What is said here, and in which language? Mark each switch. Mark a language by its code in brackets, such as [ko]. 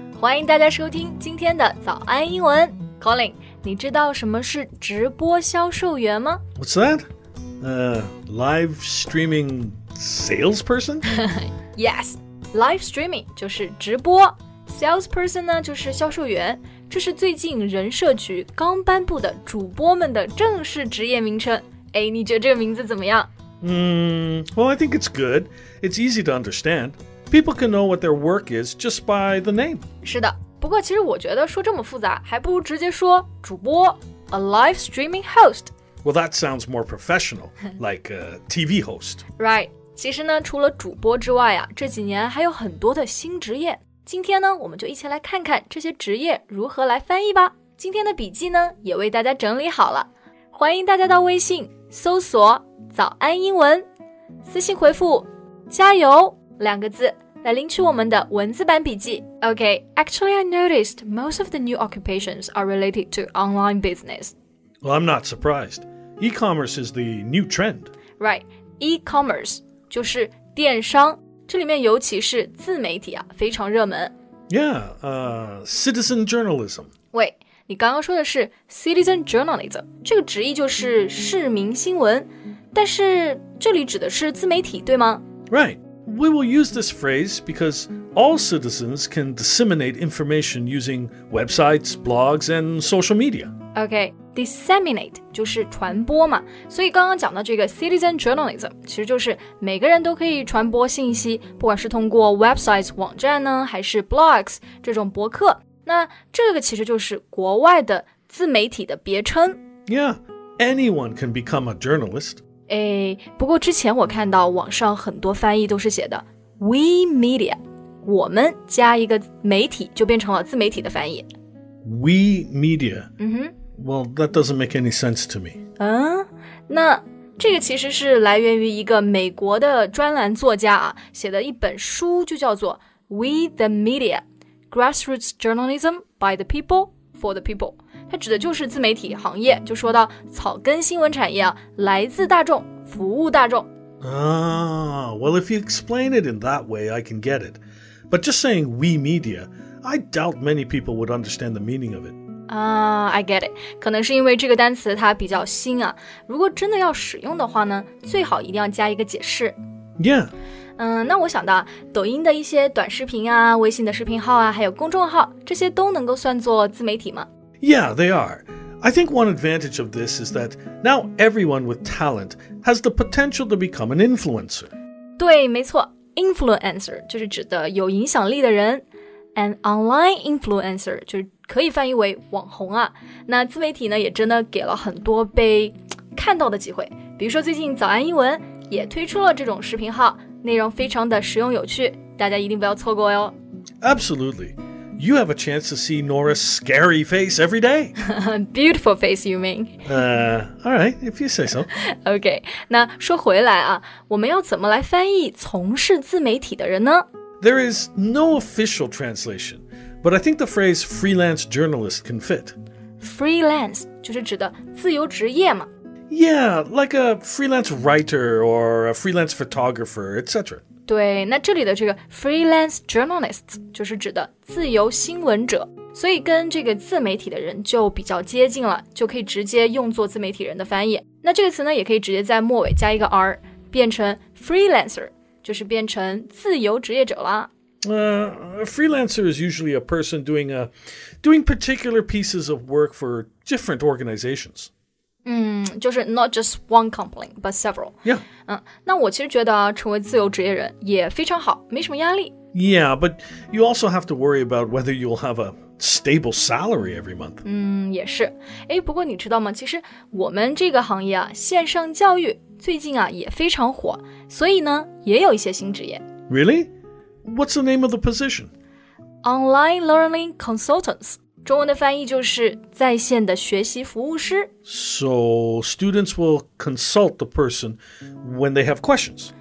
[zh] 欢迎大家收听今天的早安英文。Colin, 你知道什么是直播销售员吗？ [en] What's that? Live streaming salesperson? Yes, live streaming [zh] 就是直播。 Salesperson 呢就是销售员，这是最近人社局刚颁布的主播们的正式职业名称。哎，你觉得这个名字怎么样？ [en] Well, I think it's good. It's easy to understand. People can know what their work is just by the name. [zh] 是的，不过其实我觉得说这么复杂，还不如直接说主播 ， [en] a live streaming host. Well, that sounds more professional, like a TV host. Right. [zh] 其实呢，除了主播之外啊，这几年还有很多的新职业。今天呢，我们就一起来看看这些职业如何来翻译吧。今天的笔记呢，也为大家整理好了。欢迎大家到微信搜索早安英文，私信回复加油两个字来领取我们的文字版笔记。 [en] Okay, actually I noticed most of the new occupations are related to online business. Well, I'm not surprised. E-commerce is the new trend. [zh] Right, e-commerce 就是电商，这里面尤其是自媒体啊，非常热门。 [en] Yeah, citizen journalism. [zh] Wait,你刚刚说的是 citizen journalism, 这个职业就是市民新闻，但是这里指的是自媒体，对吗？ [en] Right. We will use this phrase because all citizens can disseminate information using websites, blogs, and social media. [zh] Okay, disseminate 就是传播嘛，所以刚刚讲的这个 citizen journalism 其实就是每个人都可以传播信息，不管是通过 websites 网站呢，还是 blogs 这种博客。那这个其实就是国外的自媒体的别称。 [en] Yeah, anyone can become a journalist. [zh] 哎，不过之前我看到网上很多翻译都是写的 we media, 我们加一个媒体就变成了自媒体的翻译。 [en] We media.、 Mm-hmm. Well, that doesn't make any sense to me. [zh] 那这个其实是来源于一个美国的专栏作家啊写的一本书，就叫做 We the Media. [en] Grassroots journalism by the people for the people. [zh] 它指的就是自媒体行业，就说到草根新闻产业啊，来自大众，服务大众。 [en] Well, if you explain it in that way, I can get it. But just saying we media, I doubt many people would understand the meaning of it. I get it. [zh] 可能是因为这个单词它比较新啊。如果真的要使用的话呢，最好一定要加一个解释。 [en] Yeah. [zh] 那我想到抖音的一些短视频啊，微信的视频号啊，还有公众号，这些都能够算作自媒体吗？ [en] Yeah, they are. I think one advantage of this is that now everyone with talent has the potential to become an influencer. [zh] 对，没错， influencer 就是指的有影响力的人， an online influencer 就是可以翻译为网红啊。那自媒体呢，也真的给了很多被看到的机会，比如说最近早安英文也推出了这种视频号，内容非常的实用有趣，大家一定不要错过哟。 [en] Absolutely. You have a chance to see Nora's scary face every day. Beautiful face, you mean? All right, if you say so. [zh] Okay, 那说回来啊，我们要怎么来翻译从事自媒体的人呢？ [en] There is no official translation, but I think the phrase freelance journalist can fit. [zh] Freelance 就是指的自由职业嘛。 [en] Yeah, like a freelance writer or a freelance photographer, etc. [zh] 对，那这里的这个 freelance journalists 就是指的自由新闻者，所以跟这个自媒体的人就比较接近了，就可以直接用作自媒体人的翻译。那这个词呢，也可以直接在末尾加一个 r， 变成 freelancer， 就是变成自由职业者啦。 [en] A freelancer is usually a person doing particular pieces of work for different organizations. [zh] 就是 [en] not just one company, but several. Yeah. [zh] 那我其实觉得成为自由职业人也非常好，没什么压力。 [en] Yeah, but you also have to worry about whether you'll have a stable salary every month. [zh] 也是。哎，不过你知道吗？其实我们这个行业啊，线上教育最近啊也非常火，所以呢也有一些新职业。 [en] Really? What's the name of the position? Online learning consultants. [zh] 中文的翻译就是在线的学习服务师。 [en] So students will consult the person when they have questions.